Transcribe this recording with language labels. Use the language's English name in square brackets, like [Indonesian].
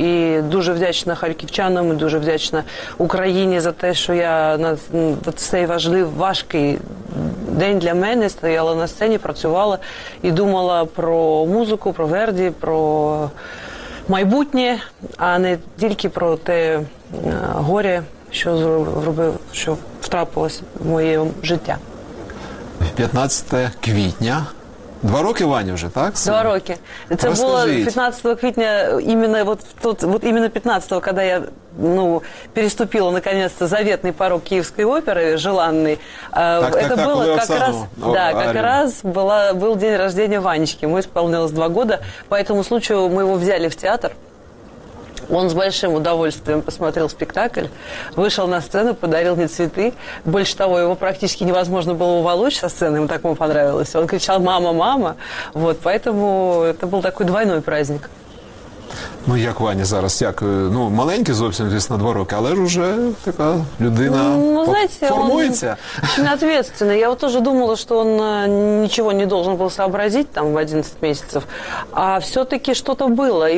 [Ukrainian] І дуже вдячна харківчанам, і дуже вдячна Україні за те, що я на цей важкий день для мене стояла на сцені, працювала і думала про музику, про Верді, про майбутнє, а не тільки про те горе, що що втрапилося в моє життя. 15 квітня. Два роки, Ваня, вже, так? Два роки. Це було 15 квітня, іменно 15-го, коли я, ну, переступила, [Russian] наконец-то, заветний [Ukrainian] порог Київської опери, желанний. Так, було так, [Russian] как раз, да, как раз был день рождения Ванечки. Ему исполнилось два года. По этому случаю мы его взяли в театр. Он с большим удовольствием посмотрел спектакль, вышел на сцену, подарил мне цветы. Больше того, его практически невозможно было уволочь со сцены, ему так ему понравилось. Он кричал «мама, мама». Вот, поэтому это был такой двойной праздник. [Ukrainian] Ну, як Ваня зараз, як? Ну, маленький зовсім, звісно, два роки, але ж уже така людина, [Russian] ну, знаете, [Ukrainian] формується. Ну, знаєте, він ответственный. [Russian] Я вот тоже думала, что он ничего не должен был сообразить там в 11 месяцев, а все-таки что-то было.